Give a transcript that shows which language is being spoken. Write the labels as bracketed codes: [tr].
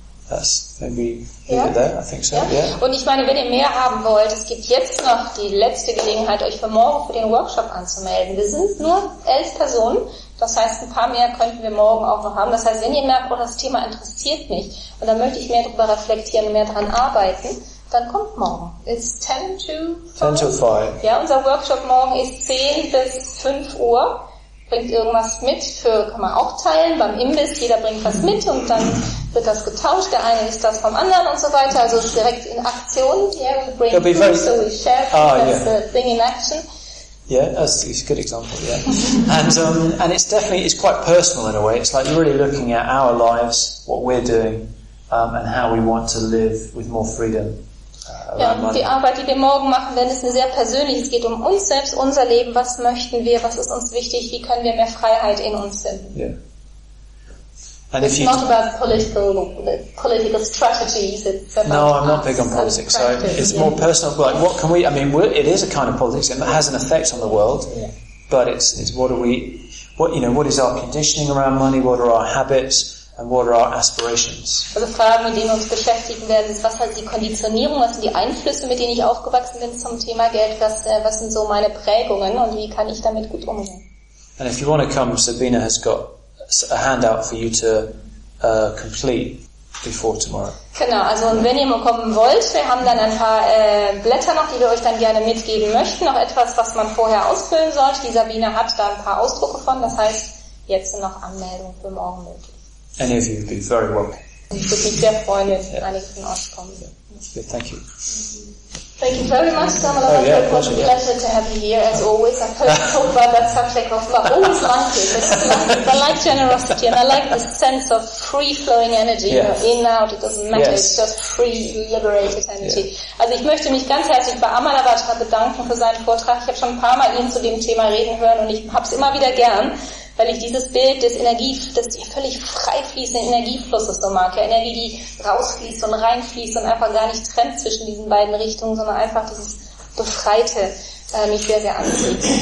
[en] That's maybe leave it there, I think so. [de] Und ich meine, wenn ihr mehr haben wollt, es gibt jetzt noch die letzte Gelegenheit, euch für morgen für den Workshop anzumelden. Wir sind nur 11 Personen, das heißt, ein paar mehr könnten wir morgen auch noch haben. Das heißt, wenn ihr merkt, oh, das Thema interessiert mich und dann möchte ich mehr darüber reflektieren und mehr daran arbeiten, dann kommt morgen. [en] It's 10 to 5. 10 to 5. [de] Ja, unser Workshop morgen ist 10 bis 5 Uhr. Bringt irgendwas mit, kann man auch teilen beim Imbiss, jeder bringt was mit und dann wird das getauscht, der eine ist das vom anderen und so weiter, also ist direkt in Aktion. [en] Yeah, we bring food, so we share, the thing in action. Yeah, that's a good example, yeah. And it's definitely, it's quite personal in a way, it's like you're really looking at our lives, what we're doing, and how we want to live with more freedom. [de] Die Arbeit, die wir morgen machen, wenn es eine sehr persönliche, es geht um uns selbst, unser Leben, was möchten wir, was ist uns wichtig, wie können wir mehr Freiheit in uns finden. [en] And it's not about political strategies. It's about I'm not big on politics. So it's more personal. Like, what can we? I mean, it is a kind of politics, and it has an effect on the world. Yeah. But it's what are we? What, you know? What is our conditioning around money? What are our habits? And what are our aspirations? [de] Also Fragen, mit denen wir uns beschäftigen werden, ist, was halt die Konditionierung, was sind die Einflüsse, mit denen ich aufgewachsen bin zum Thema Geld, was sind so meine Prägungen und wie kann ich damit gut umgehen? [en] And if you want to come, Sabina has got a handout for you to complete before tomorrow. [de] Genau, also und wenn ihr mal kommen wollt, wir haben dann ein paar Blätter noch, die wir euch dann gerne mitgeben möchten, noch etwas, was man vorher ausfüllen sollte. Die Sabina hat da ein paar Ausdrucke von, das heißt, jetzt sind noch Anmeldungen für morgen möglich. [en] Any of you would be very welcome. [de] Ich würde mich sehr freuen, wenn einige von euch kommen. [en] Yeah, thank you. Thank you very much, Amalavajra. Oh, yeah, it was a pleasure to have you here, as always. I've heard about that subject of love. I always like it. I like generosity, and I like the sense of free-flowing energy. Yes. You know, in, out, it doesn't matter. Yes. It's just free, liberated energy. Yeah. [de] Also ich möchte mich ganz herzlich bei Amalavajra bedanken für seinen Vortrag. Ich habe schon ein paar Mal ihn zu dem Thema reden hören, und ich habe es immer wieder gern, weil ich dieses Bild des Energie, des völlig frei fließenden Energieflusses so mag. Ja, Energie, die rausfließt und reinfließt und einfach gar nicht trennt zwischen diesen beiden Richtungen, sondern einfach dieses Befreite mich sehr, sehr anzieht.